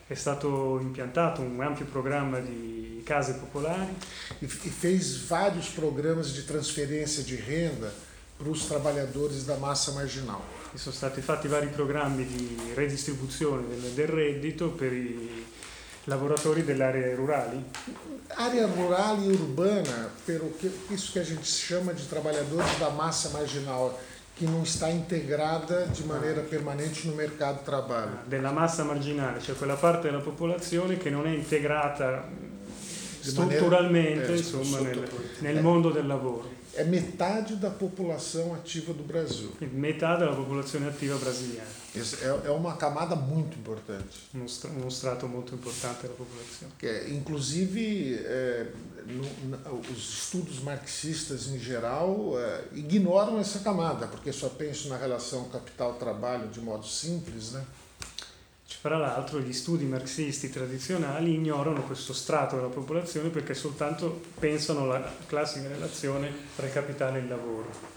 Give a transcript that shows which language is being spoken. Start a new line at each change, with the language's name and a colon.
Italian: È stato implantato un ampio programma di case popolari.
Portuguese: E fez vários programas de transferência de renda para os trabalhadores da massa marginal.
Italian: E sono stati fatti vari programmi di redistribuzione del reddito per i lavoratori dell'area rurale.
Portuguese: Área rural e urbana, pelo que isso que a gente chama de trabalhadores da massa marginal, que não está integrada de maneira permanente no mercado de trabalho.
Italian: Della massa marginale, cioè quella parte della popolazione che non è integrata strutturalmente, insomma, nel mondo del lavoro.
Portuguese: È metade da população ativa do Brasil.
Italian: Metade della popolazione attiva brasiliana. È una camada molto importante. Un strato molto importante della popolazione.
Portuguese: Che inclusive os estudos marxistas em geral ignoram essa camada, porque só pensam na relação capital-trabalho de modo simples, né?
Italian: Tra l'altro, gli studi marxisti tradizionali ignorano questo strato della popolazione perché soltanto pensano alla classica relazione tra capitale e lavoro.